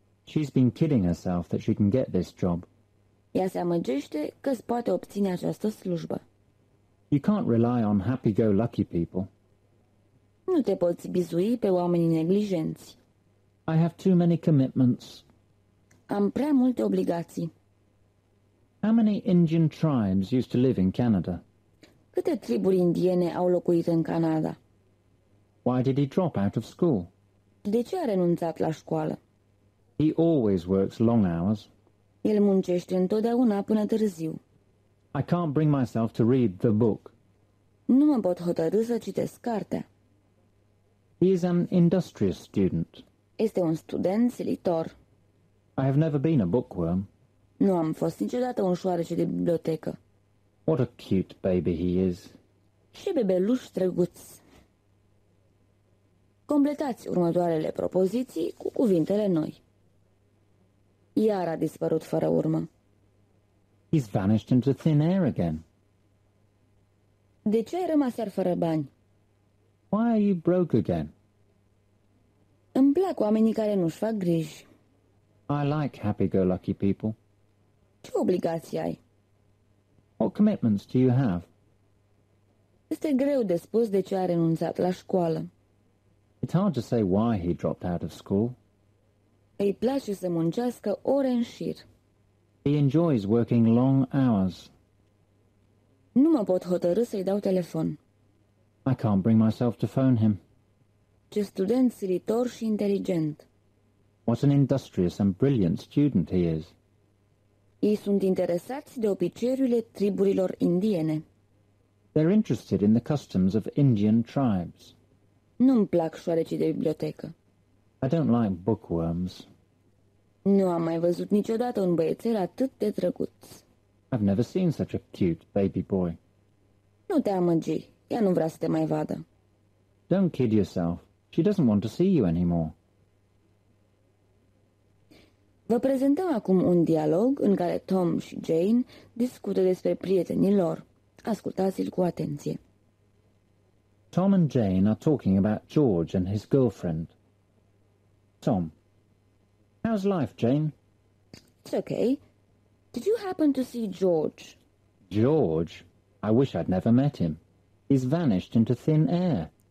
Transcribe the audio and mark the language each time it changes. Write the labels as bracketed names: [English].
[English] She's been kidding herself that she can get this job. [Romanian] Ea se amăgește că se poate obține această slujbă. [English] You can't rely on happy-go-lucky people. [Romanian] Nu te poți bizui pe oamenii neglijenți. [English] I have too many commitments. [Romanian] Am prea multe obligații. [English] How many Indian tribes used to live in Canada? [Romanian] Câte triburi indiene au locuit în Canada? [English] Why did he drop out of school? [Romanian] De ce a renunțat la școală? [English] He always works long hours. [Romanian] El muncește întotdeauna până târziu. [English] I can't bring myself to read the book. [Romanian] Nu mă pot hotărâ să citesc cartea. [English] He is an industrious student. [Romanian] Este un student silitor. [English] I have never been a bookworm. [Romanian] Nu am fost niciodată un șoareci de bibliotecă. [English] What a cute baby he is. [Romanian] Ce bebeluș drăguț. Completați următoarele propoziții cu cuvintele noi. Iar a dispărut fără urmă. [English] He's vanished into thin air again. [Romanian] De ce ai rămas iar fără bani? [English] Why are you broke again? [Romanian] Îmi plac oamenii care nu-și fac griji. [English] I like happy-go-lucky people. [Romanian] Ce obligații ai? [English] What commitments do you have? [Romanian] Este greu de spus de ce a renunțat la școală. [English] It's hard to say why he dropped out of school. [Romanian] Îi place să muncească ore în șir. [English] He enjoys working long hours. [Romanian] Nu mă pot hotărâ să-i dau telefon. [English] I can't bring myself to phone him. [Romanian] Ce student silitor și inteligent. [English] What an industrious and brilliant student he is. [Romanian] Ei sunt interesați de obiceiurile triburilor indiene. [English] They're interested in the customs of Indian tribes. [Romanian] Nu-mi plac șoarecii de bibliotecă. [English] I don't like bookworms. [Romanian] Nu am mai văzut niciodată un băiețel atât de drăguț. [English] I've never seen such a cute baby boy. [Romanian] Nu te amăgi, ea nu vrea să te mai vadă. [English] Don't kid yourself. She doesn't want to see you anymore. [Romanian] Vă prezentăm acum un dialog în care Tom și Jane discută despre prietenii lor. Ascultați-l cu atenție. [English] Tom and Jane are talking about George and his girlfriend. Tom, how's life, Jane? It's okay. Did you happen to see George? George? I wish I'd never met him. He's vanished into thin air.